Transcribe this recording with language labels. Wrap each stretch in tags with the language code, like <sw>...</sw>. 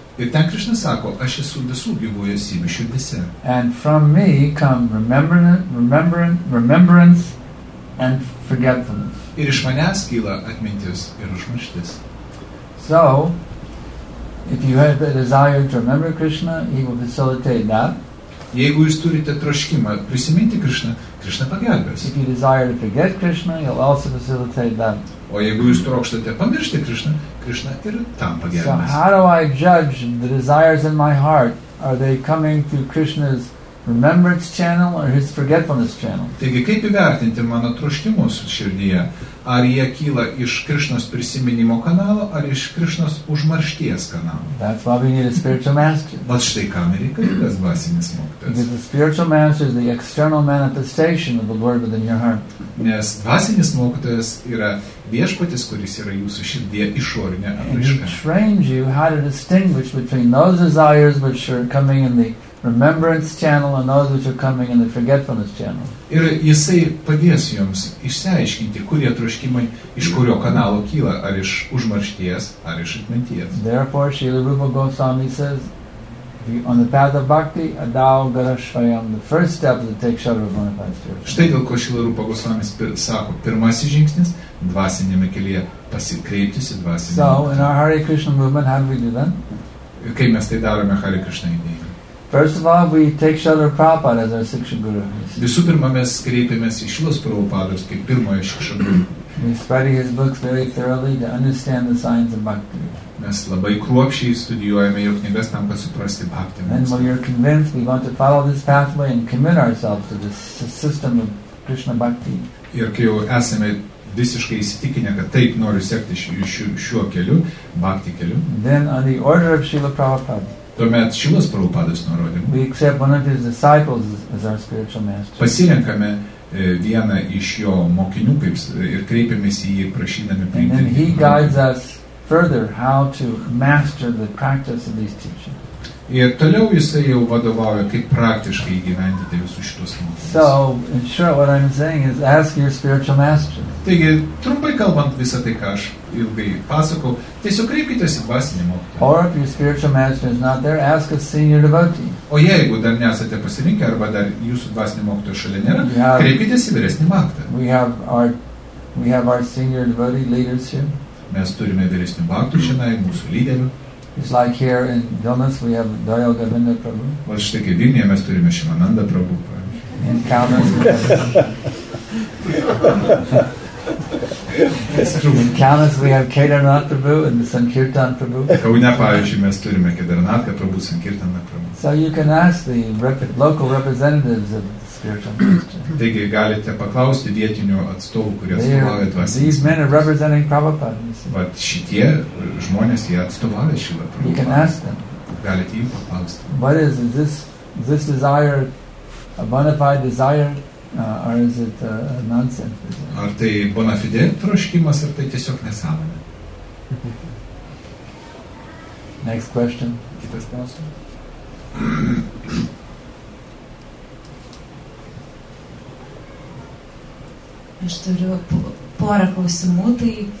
<lt>Ir ten Krishna sako, aš esu visų gyvųjų esybių širdyse.</lt> <en>And from me come remembrance and forgetfulness.</en> <lt>Ir iš manęs kyla atmintis ir užmirštis.</lt> <en>So, if you have a desire to remember Krishna, he will facilitate that.</en> <lt>Jeigu jūs turite troškimą prisiminti Krishna, Krishna pagelbės.</lt> <en>If you desire to forget Krishna, he'll also facilitate that.</en> <lt>O jeigu jūs trokštate pamiršti Krishna, Krishna ir tam pagelbės.</lt> <en>So how do I judge the desires in my heart? Are they coming through Krishna's remembrance channel or his forgetfulness channel?</en> <lt>Taigi, kaip įvertinti mano troškimus širdyje? Ar jie kyla iš Krishnos prisiminimo kanalo, ar iš Krishnos užmaršties kanalo?</lt> <en>That's why we need a spiritual master.</en> <lt>Vat štai kam reikalingas dvasinis mokytojas.</lt> <en>Because the spiritual master is the external manifestation of the Lord within your heart.</en> <lt>Nes dvasinis mokytojas yra viešpatis, kuris yra jūsų širdyje išorinė apraiška.</lt> <en>And he trains you how to distinguish between those desires which are coming in the remembrance channel and those which are coming in the forgetfulness channel.</en> <lt>Ir jisai padės jums išsiaiškinti, kurie troškimai iš kurio kanalo kyla, ar iš užmaršties, ar iš atminties.</lt> <en>Therefore, Srila Rupa Goswami says, on the path of bhakti, adau garashvayam, the first step is to take shelter of one of five spirits.</en> <lt>Štai dėl ko Srila Rupa Goswami sako, pirmasis žingsnis, dvasinėme kelyje pasikreiptis į dvasinį.</lt> <en>So, in our Hare Krishna movement, how do we do that?</en> <lt>Kaip mes tai darome Hare Krishna idėjai?</lt> <en>First of all, we take Shrila Prabhupada as our Siksha Guru.</en> <lt>Visų pirma, mes kreipiamės į Šilos Prabhupados kaip pirmojo Siksha Guru.</lt> <en>We study his books very thoroughly to understand the science of bhakti.</en> <lt>Mes labai kruopščiai studijuojame jo knygas tam, kad suprasti bhakti.</lt> <en>And when you're convinced, we want to follow this pathway and commit ourselves to this system of Krishna bhakti.</en> <lt>Ir kai jau esame visiškai įsitikinę, kad taip noriu sekti šiuo keliu, bhakti keliu.</lt> <en>Then on the order of Srila Prabhupada.</en> <lt>Tuomet Šilas Prabhupadas nurodymu.</lt> <en>We accept one of his disciples as our spiritual master.</en> <lt>Pasirenkame vieną iš jo mokinių kaip ir kreipiamės į jį prašydami priimti.</lt> <en>And he guides us further how to master the practice of these teachings.</en> <lt>Ir toliau jisai jau vadovauja, kaip praktiškai įgyvendinti visus šitus mokymus.</lt> <en>So, in short, what I'm saying is ask your spiritual master.</en> <lt>Taigi, trumpai kalbant visą tai, ką aš ilgai pasakau, tiesiog kreipkite į dvasinį mokytoją.</lt> <en>Or if your spiritual master is not there, ask a senior devotee.</en> <lt>O jeigu dar nesate pasirinkę, arba dar jūsų dvasinį mokytoją šalia nėra, kreipkite į vyresnį mokytoją.</lt> <en>We have our senior devotee leaders here.</en> <lt>Mes turime vyresnių mokytojų šiandien, mūsų lyderių.</lt> <en>It's like here in Vilnius we have Dayal Govinda Prabhu.</en> <lt>Vat štai kaip Vilniuje mes turime Šimananda Prabhu, pavyzdžiui.</lt> <en>In Kaunas we have... It's true. In Kaunas we have Kedarnath Prabhu and the Sankirtan Prabhu.</en> <lt>Kaune, pavyzdžiui, mes turime Kedarnatha Prabhu, Sankirtana Prabhu.</lt> <en>So you can ask the local representatives of the spiritual ministry.</en> <lt>Taigi galite paklausti vietinių atstovų, kurie atstovauja dvasinį.</lt> <en>These men are representing Prabhupada.</en> <lt>Vat šitie žmonės jie atstovauja Šrilą Prabhupadą.</lt> <en>You can ask them.</en> <lt>Galite jų paklausti.</lt> <en>What is this desire a bona fide desire or is it a nonsense desire?</en> <lt>Ar tai bona fide troškimas ar tai tiesiog nesąmonė?</lt> <en>Next question.</en> <lt>Kitas klausimas. Aš turiu porą klausimų, tai...</lt>